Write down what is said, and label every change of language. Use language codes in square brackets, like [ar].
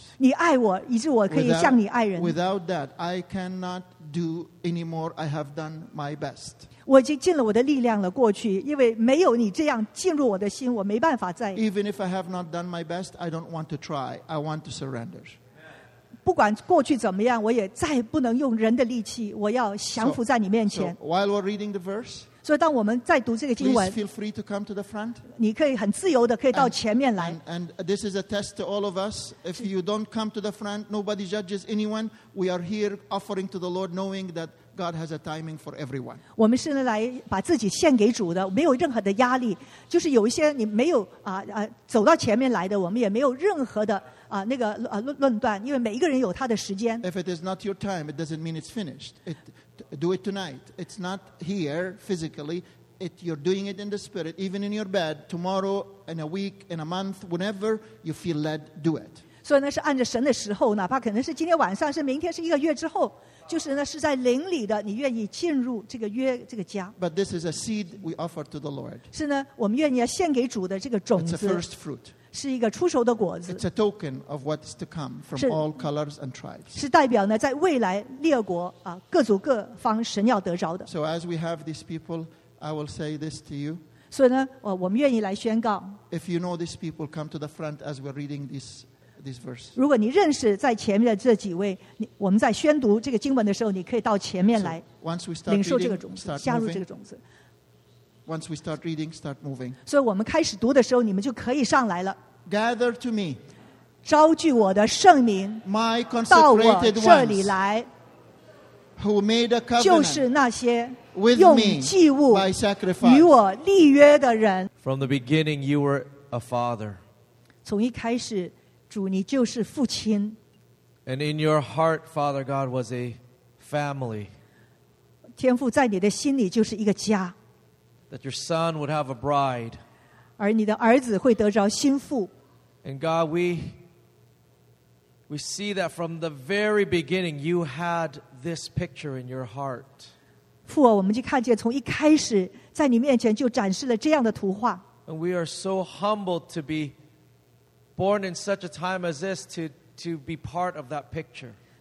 [zh] 你爱我, 以致我可以像你爱人, [en] without that, I cannot do anymore. I have done my best. [zh] 我已经尽了我的力量了, 过去, 因为没有你这样进入我的心, 我没办法再, [en] Even if I have not done my best, I don't want to try. I want to surrender. [zh] 不管过去怎么样, 我也再不能用人的力气, 我要降服在你面前。 [en] So, while we're reading the verse, [zh] 所以当我们在读这个经文, [en] Please feel free to come to the front. [zh] 你可以很自由地可以到前面来。 [en] And this is a test to all of us. If you don't come to the front, nobody judges anyone. We are here offering to the Lord, knowing that God has a timing for everyone. [zh] 我们是来把自己献给主的, 没有任何的压力, 就是有一些你没有, 走到前面来的, 我们也没有任何的, 那个论断, 因为每一个人有他的时间。 [en] If it is not your time, it doesn't mean it's finished. Do it tonight. It's not here physically. You're doing it in the spirit, even in your bed, tomorrow, in a week, in a month, whenever you feel led, do it. [zh] 所以呢,是按着神的时候, 哪怕可能是今天晚上,是明天,是一个月之后, 就是呢,是在灵里的, 你愿意进入这个约, 这个家。 [en] But this is a seed we offer to the Lord. [zh] 是呢, 我们愿意献给主的这个种子。 [en] It's a first fruit. [zh] 是一个出熟的果子, [en] it's a token of what's to come from [zh] 是, [en] all colors and tribes. [zh] 是代表呢, 在未来列国, 各族各方, [en] so as we have these people, I will say this to you. [zh] 所以呢, 我们愿意来宣告, [en] if you know these people, come to the front as we're reading this verse. [zh] 如果你认识在前面的这几位, 你, 我们在宣读这个经文的时候, 你可以到前面来, [en] so once we start reading, [zh] 领受这个种子, [en] start [zh] 加入这个种子。 [en] Once we start reading, start moving. [zh] 所以我们开始读的时候, 你们就可以上来了。 [en] Gather to me. [zh] 召聚我的圣名, [en] my consecrated ones. Who made a covenant with me by sacrifice. From the beginning, you were a father. [zh] 从一开始, 主, 你就是父亲。 [en] And in your heart, Father God was a family. [zh] 天父在你的心里就是一个家。 [en] That your son would have a bride. [zh] 而你的儿子会得着心腹。 [en] And God, we see that from the very beginning, you had this picture in your heart. [zh] 父啊, 我们就看见从一开始, 在你面前就展示了这样的图画。 [en] And we are so humbled to be born in such a time as this, to be part of that picture.